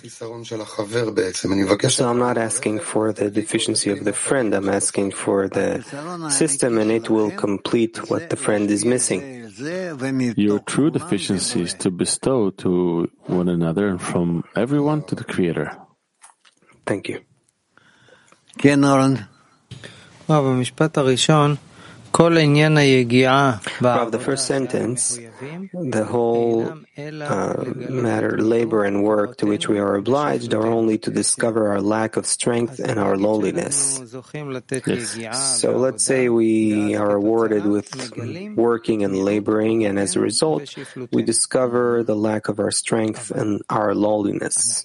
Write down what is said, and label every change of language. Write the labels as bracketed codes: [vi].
[en] So I'm not asking for the deficiency of the friend, I'm asking for the system, and it will complete what the friend is missing. Your true deficiency is to bestow to one another and from everyone to the Creator. Thank you. [he] כן, אורן. רב, המשפט הראשון, כל עניין היגיעה... [en] Rav, the first sentence, the whole matter, labor and work to which we are obliged are only to discover our lack of strength and our lowliness. Yes. So let's say we are awarded with working and laboring, and as a result, we discover the lack of our strength and our lowliness.